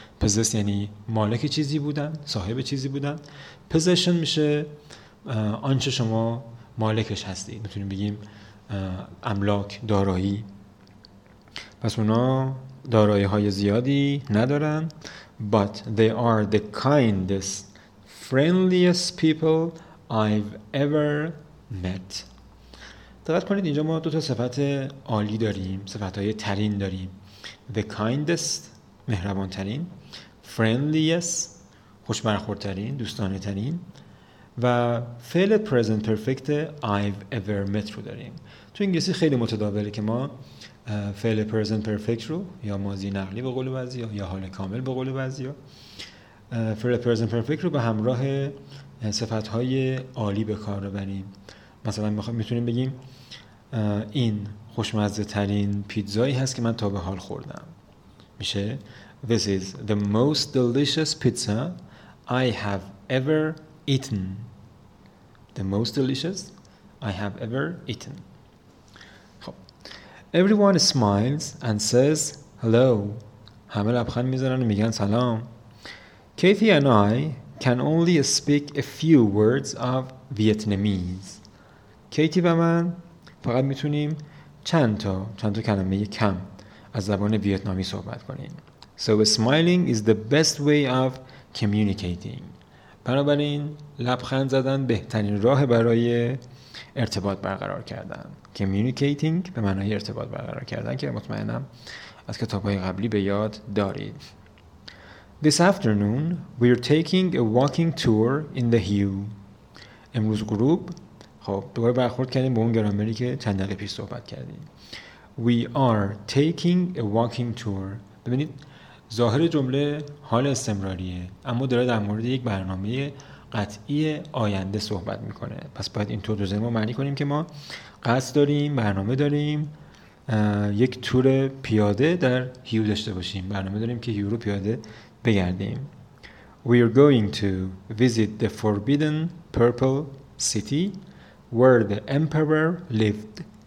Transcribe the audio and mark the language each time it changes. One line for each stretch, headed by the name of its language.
Persian: possess یعنی مالک چیزی بودن، صاحب چیزی بودن. possession میشه آنچه شما مالکش هستید، میتونیم بگیم املاک، دارایی. پس اونا دارایی های زیادی ندارن.
English: but they are the kindest friendliest people I've ever met.
Persian: دقت کنید اینجا ما دو تا صفت عالی داریم، صفت های ترین داریم. the kindest مهربان ترین، friendliest خوش برخورد ترین، دوستانه ترین، و فعل present perfect
English: I've ever met
Persian: رو داریم. تو انگلیسی خیلی متداوله که ما فعل present perfect رو یا ماضی نقلی به قول بعضی یا حال کامل به قول بعضی فعل present perfect رو به همراه صفت های عالی به کار ببریم. مثلا میتونیم بگیم این خوشمزه ترین پیتزایی هست که من تا به حال خوردم. میشه
English: This is the most delicious pizza I have ever eaten. The most delicious I have ever eaten. خب Everyone smiles and says hello.
Persian: همه لبخند میزنن و میگن سلام.
English: Kathy and I can only speak a few words of Vietnamese.
Persian: کیتی و من فقط میتونیم چند تا کلمه کم از زبان ویتنامی صحبت کنیم.
English: So smiling is the best way of communicating.
Persian: بنابراین لبخند زدن بهترین راه برای ارتباط برقرار کردن. Communicating به معنای ارتباط برقرار کردن که مطمئنم از کتاب‌های قبلی به یاد دارید.
English: This afternoon we're taking a walking tour in the hue.
Persian: امروز گروه خب دوباره برخورد کردیم با اون گرامری که چند دقیقه پیش صحبت کردیم.
English: We are taking a walking tour.
Persian: ببینید ظاهر جمله حال استمراریه، اما داره در مورد یک برنامه قطعی آینده صحبت میکنه. پس باید این طور دو زمان معنی کنیم که ما قصد داریم، برنامه داریم یک تور پیاده در هیو داشته باشیم. برنامه داریم که هیو رو پیاده بگردیم.
English: We are going to visit the forbidden purple city where the emperor lived.